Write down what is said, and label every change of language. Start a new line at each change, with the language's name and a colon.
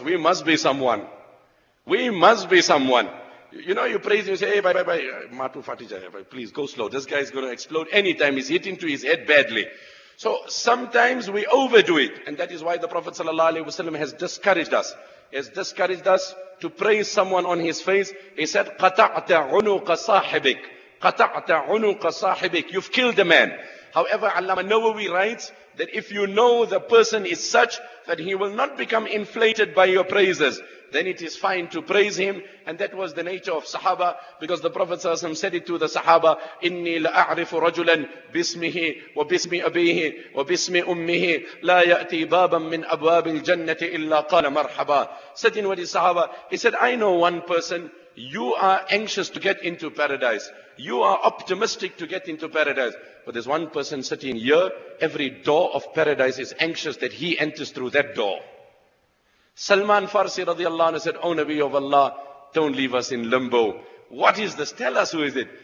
English: We must be someone. We must be someone. You know, you praise him, you say, hey, bye, Matu Fatijah, please go slow. This guy is going to explode anytime. He's hit into his head badly. So sometimes we overdo it. And that is why the Prophet ﷺ has discouraged us. He has discouraged us to praise someone on his face. He said,
Arabic: قَتَعْتَ عُنُقَ صَاحِبِكَ قَتَعْتَ عُنُقَ صَاحِبِكَ.
English: You've killed the man. However, Allama Nawawi writes that if you know the person is such that he will not become inflated by your praises, then it is fine to praise him. And that was the nature of Sahaba, because the Prophet ﷺ said it to the Sahaba,
Arabic: إِنِّي لَأَعْرِفُ رَجُلًا بِاسْمِهِ وَبِاسْمِ أَبِيهِ وَبِاسْمِ أُمِّهِ لَا يَأْتِي بَابًا مِّنْ أَبْوَابِ الْجَنَّةِ إِلَّا قَالَ مَرْحَبًا.
English: Sitting with his Sahaba, he said, I know one person. You are anxious to get into paradise. You are optimistic to get into paradise. But there's one person sitting here, every door of paradise is anxious that he enters through that door. Salman Farsi radiallahu anhu said, O Nabi of Allah, don't leave us in limbo. What is this? Tell us, who is it?